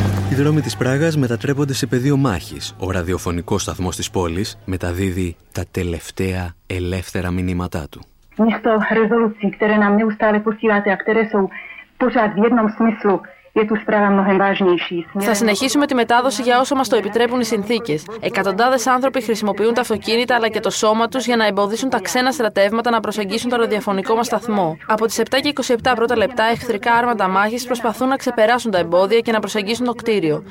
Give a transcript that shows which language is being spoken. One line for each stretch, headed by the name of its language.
Greek: Οι δρόμοι της Πράγας μετατρέπονται σε πεδίο μάχης. Ο ραδιοφωνικός σταθμός της πόλης μεταδίδει τα τελευταία ελεύθερα μηνύματά του.
Czech: Místo rezolucí, které nám neustále posíláte a které jsou pořád v jednom smyslu, je tu zpráva mnohem vážnější.
Greek: Θα συνεχίσουμε τη μετάδοση για όσο μας το επιτρέπουν οι συνθήκες. Εκατοντάδες άνθρωποι χρησιμοποιούν τα αυτοκίνητα αλλά και το σώμα τους για να εμποδίσουν τα ξένα στρατεύματα να προσεγγίσουν το ραδιοφωνικό μας σταθμό. Από τις 7:27 πρώτα λεπτά, εχθρικά άρματα μάχης προσπαθούν να ξεπεράσουν τα εμπόδια και να προσεγγίσουν το κτίριο.